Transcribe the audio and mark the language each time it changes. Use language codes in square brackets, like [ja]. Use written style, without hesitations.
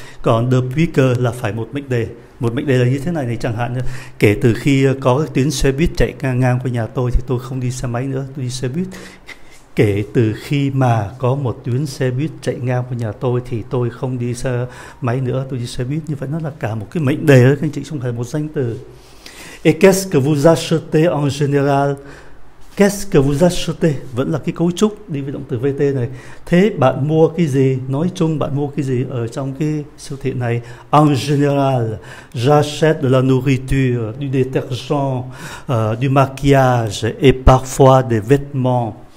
[vi] Còn được quý cờ là phải một mệnh đề. Một mệnh đề là như thế này này, chẳng hạn như, kể từ khi có cái tuyến xe buýt chạy ngang ngang qua nhà tôi thì tôi không đi xe máy nữa, tôi đi xe buýt. Kể từ khi mà có một tuyến xe buýt chạy ngang qua nhà tôi thì tôi không đi xe máy nữa, tôi đi xe buýt. Như vậy nó là cả một cái mệnh đề đấy các anh chị, không phải một danh từ. [fr] Et qu'est-ce que vous achetez en général? Qu'est-ce que vous achetez? [vi] Vẫn là cái cấu trúc đi với động từ VT này. Thế bạn mua cái gì? Nói chung bạn mua cái gì ở trong cái siêu thị này? [fr] En général, j'achète de la nourriture, du détergent, du maquillage et parfois des vêtements.